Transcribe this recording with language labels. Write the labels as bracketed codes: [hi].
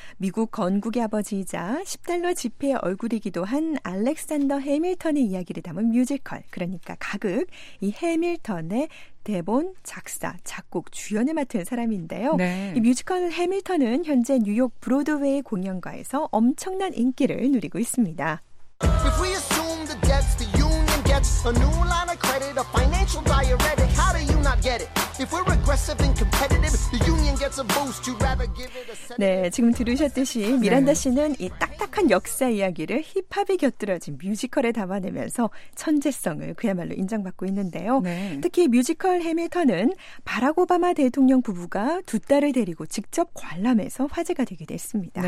[ko] 미국 건국의 아버지이자 10달러 지폐의 얼굴이기도 한 알렉산더 해밀턴의 이야기를 담은 뮤지컬, 그러니까 가극, 이 해밀턴의 대본, 작사, 작곡, 주연을 맡은 사람인데요. 네. 이 뮤지컬 해밀턴은 현재 뉴욕 브로드웨이 공연가에서 엄청난 인기를 누리고 있습니다. [en] If we assume the debts the union gets, a new line of credit, a financial diuretic, how do you not get it? If we're aggressive and competitive, the union gets a boost. You'd rather give it a set. [ko] 네, 지금 들으셨듯이 미란다 네. 씨는 이 딱딱한 역사 이야기를 힙합이 곁들여진 뮤지컬에 담아내면서 천재성을 그야말로 인정받고 있는데요. 네. 특히 뮤지컬 해밀턴은 바락 오바마 대통령 부부가 두 딸을 데리고 직접 관람해서 화제가 되게 됐습니다.